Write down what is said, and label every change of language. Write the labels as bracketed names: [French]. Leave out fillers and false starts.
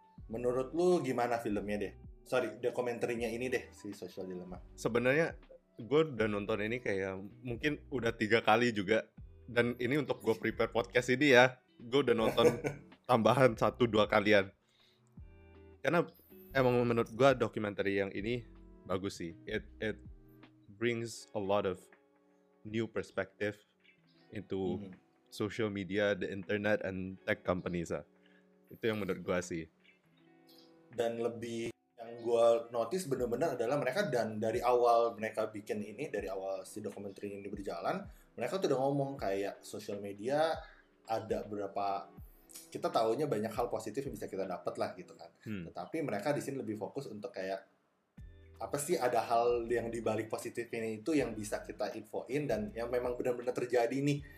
[Indonesian] Menurut lu gimana filmnya deh? Sorry, dokumenterinya ini deh, si Social Dilemma. Sebenarnya gue udah nonton ini kayak mungkin udah 3 kali juga. Dan ini untuk gue prepare podcast ini ya, gue udah nonton tambahan 1-2 kalian. Karena emang menurut gue dokumenter yang ini bagus sih. [English] It brings a lot of new perspective into social media, the internet, and tech companies. [Indonesian] Itu yang menurut gue sih. Dan lebih yang gue notice benar-benar adalah mereka, dan dari awal mereka bikin ini, dari awal si dokumenter ini berjalan, mereka tuh udah ngomong kayak social media ada berapa. Kita taunya banyak hal positif yang bisa kita dapat lah gitu kan. Tetapi mereka di sini lebih fokus untuk kayak apa sih, ada hal yang dibalik positif ini itu yang bisa kita infoin dan yang memang benar-benar terjadi nih.